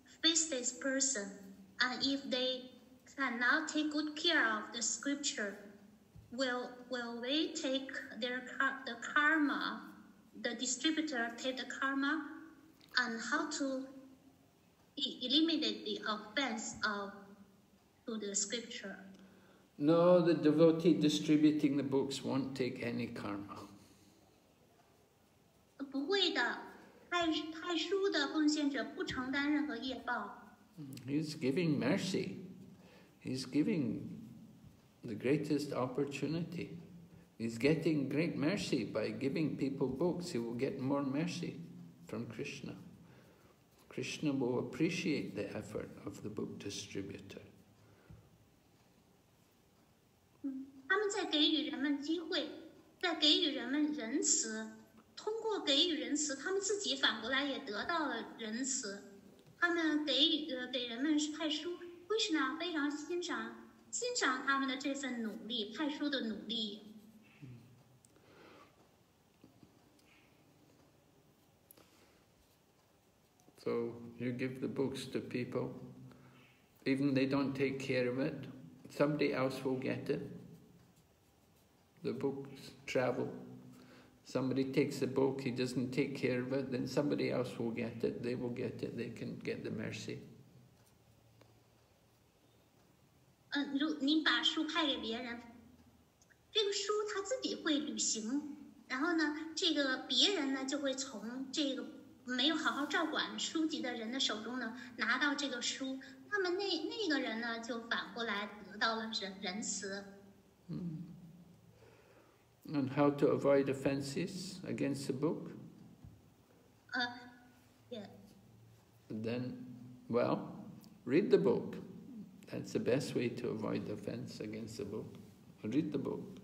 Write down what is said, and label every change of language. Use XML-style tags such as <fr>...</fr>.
<en>with this person, and if they cannot take good care of the scripture, will they take their the karma, the distributor take the karma, and how to eliminate the offense of to the scripture? No, the devotee distributing the books won't take any karma.</en> <zh>不会的，太书的奉献者不承担任何业报。</zh> <en>He's giving mercy. He's giving the greatest opportunity. He's getting great mercy by giving people books. He will get more mercy from Krishna. Krishna will appreciate the effort of the book distributor.</en> <zh>他们在给予人们机会，在给予人们仁慈。通过给予仁慈，他们自己反过来也得到了仁慈。他们给人们派书，为什么非常欣赏他们的这份努力，派书的努力。</zh> <en>So you give the books to people, even they don't take care of it, somebody else will get it. The books travel. Somebody takes the book, he doesn't take care of it, then somebody else will get it, they will get it, they can get the mercy.</en> <zh>您把书派给别人，这个书他自己会旅行，然后呢，这个别人呢就会从这个没有好好照管书籍的人的手中呢拿到这个书，那么那个人呢就反过来得到了仁慈。</zh> <en>And how to avoid offenses against the book? Then, well, read the book. That's the best way to avoid offense against the book. Read the book.</en>